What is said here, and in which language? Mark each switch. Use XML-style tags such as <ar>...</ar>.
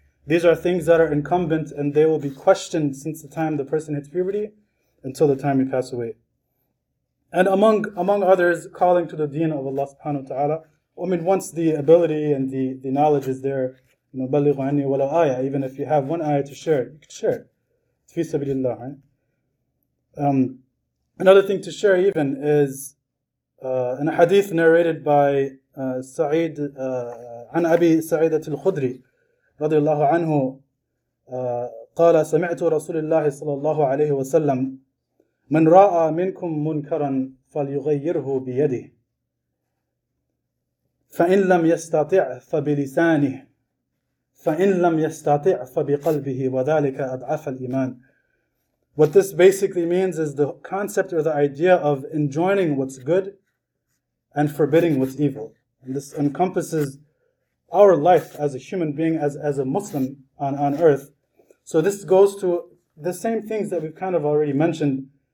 <en>These are things that are incumbent and they will be questioned since the time the person hits puberty until the time you pass away. And among others, calling to the deen of Allah subhanahu wa ta'ala. I mean, once the ability and the knowledge is there, you know,</en> <ar>بَلِّغُ عَنِّي وَلَوْ آيَةً,</ar> <en>even if you have one ayah to share, you can share it.</en> <ar>فِي سَبِيلِ اللَّهِ, right?</ar> <en>Another thing to share even is in a hadith narrated by Sa'id,</en> <ar>عن أبي سعيدة الخدري رضي الله عنه, قال سمعت رسول الله صلى الله عليه وسلم من رأى منكم منكرا فليغيره بيده فإن لم يستطع فبلسانه فإن لم يستطع فبقلبه وذلك أضعف الإيمان.</ar> <en>What this basically means is the concept or the idea of enjoining what's good and forbidding what's evil. And this encompasses our life as a human being, as a Muslim on earth. So this goes to the same things that we've kind of already mentioned.</en>